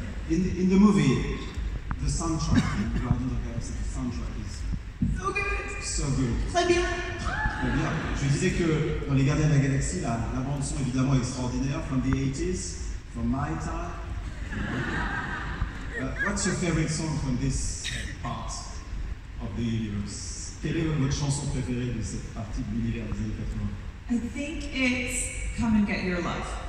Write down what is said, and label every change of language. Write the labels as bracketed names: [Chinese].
[English] In the movie, the soundtrack in Guardians of the Galaxy, the soundtrack is so good. So good. [French] Très bien. Très bien. Je disais que dans les Gardiens de la Galaxie, la bande son évidemment extraordinaire, [English] from the 80s, from my time. What's your favorite song from this part of the universe? [French] Quelle est votre chanson préférée de cette partie de l'univers des années 80? [English] I think it's Come and Get Your Love.